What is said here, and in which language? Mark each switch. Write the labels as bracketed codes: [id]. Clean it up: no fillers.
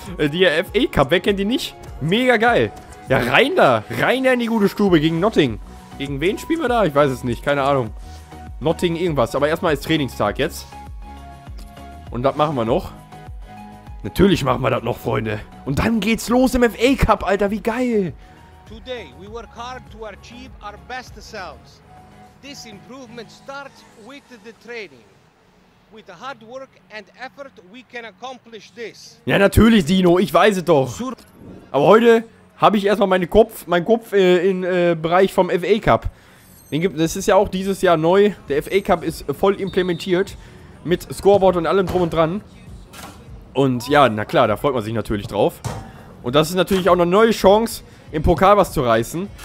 [de] Die FA Cup, wer kennt die nicht? Mega geil. Ja, rein da. Rein in die gute Stube gegen Notting. Gegen wen spielen wir da? Ich weiß es nicht. Keine Ahnung. Notting irgendwas. Aber erstmal ist Trainingstag jetzt. Und das machen wir noch. Natürlich machen wir das noch, Freunde. Und dann geht's los im FA Cup, Alter. Wie geil. [en] Today we work hard to achieve our best selves. This improvement starts with the training. With the hard work and effort we can accomplish this. [de] Ja, natürlich, Dino, ich weiß es doch. Aber heute habe ich erstmal meinen Kopf Bereich vom FA Cup. Das ist ja auch dieses Jahr neu. Der FA Cup ist voll implementiert mit Scoreboard und allem drum und dran. Und ja, na klar, da freut man sich natürlich drauf. Und das ist natürlich auch eine neue Chance, im Pokal was zu reißen.